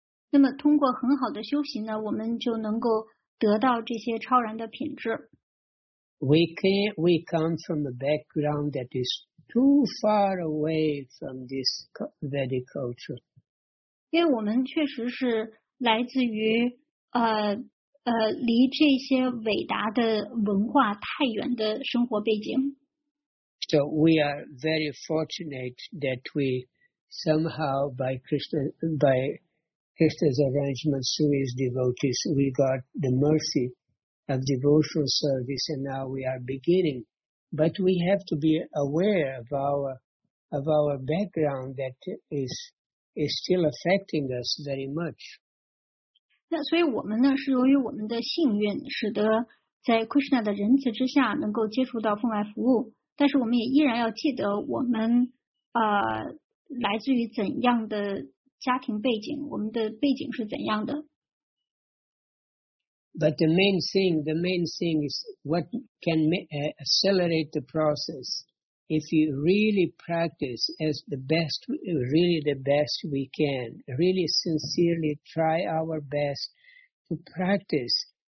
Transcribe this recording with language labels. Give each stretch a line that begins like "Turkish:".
Chinese: 那么通过很好的修行呢，我们就能够得到这些超然的品质。
English: We come from a background that is too far away from this Vedic culture.
Chinese: 因为我们确实是来自于离这些伟大的文化太远的生活背景。
English: So we are very fortunate that we somehow, by Krishna's arrangements through his devotees, we got the mercy of devotional service, and now we are beginning. But we have to be aware of our background that is still affecting us very much.
Chinese: 那所以我们呢，是由于我们的幸运，使得在 Krishna 的仁慈之下，能够接触到奉爱服务。但是我们也依然要记得我们来自于怎样的家庭背景，我们的背景是怎样的。
English: But the main thing is what can accelerate the process if you really practice as the best, really the best we can, really sincerely try our best to practice